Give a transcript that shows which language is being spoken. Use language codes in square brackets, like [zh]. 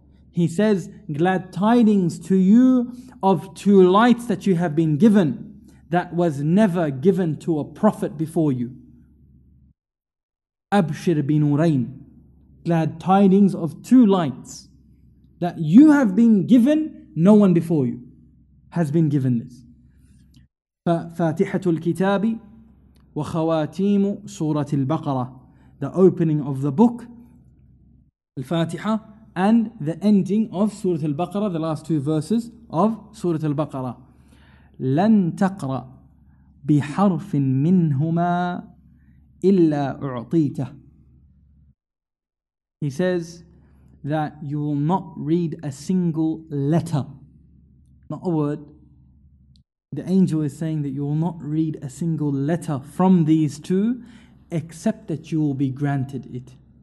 [en] He says, glad tidings to you of two lights that you have been given that was never given to a prophet before you. [ar] أَبْشِرْ بِنُورَيْنِ. [en] Glad tidings of two lights that you have been given, no one before you has been given this. [ar] ففاتحة الكتاب وخواتيم سورة البقرة. [en] The opening of the book, الفاتحة, and the ending of سورة البقرة, the last two verses of سورة البقرة. [ar] لن تقرأ بحرف منهما إلا أعطيته. [en] He says that you will not read a single letter, not a word. The angel is saying that you will not read a single letter from these two except that you will be granted it.